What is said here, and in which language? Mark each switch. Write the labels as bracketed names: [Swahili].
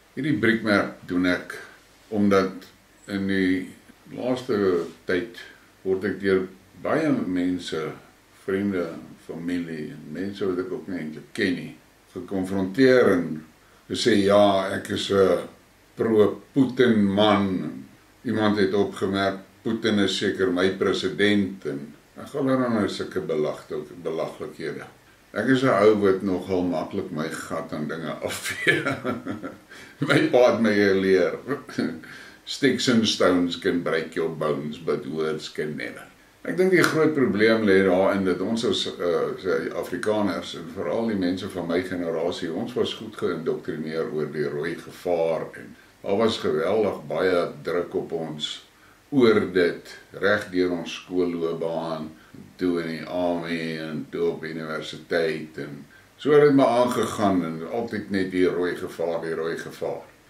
[Afrikaans] Hierdie briekmerk doen ek omdat in die laaste tyd word ek deur baie mense, vriende, familie en mense wat ek ook nie eintlik ken nie, gekonfronteer en gesê ja, ek is 'n pro-Putin man. Iemand het opgemerk Putin is seker my president en ek gaan daar aan sulke belaglikhede. Ek is 'n ou wat nogal maklik my gat aan dinge afvee. My pa het my geleer. [English] Sticks and stones can break your bones, but words can never. [Afrikaans] Ek dink die groot probleem lê daarin dat ons as Afrikaners en veral die mense van my generasie, ons was goed geïndoktrineer oor die rooi gevaar en daar was geweldig baie druk op ons oor dit, reg deur ons skoolloopbaan, toe in die army en toe op universiteit en so het dit maar aangegaan en altyd net die rooi gevaar, die rooi gevaar.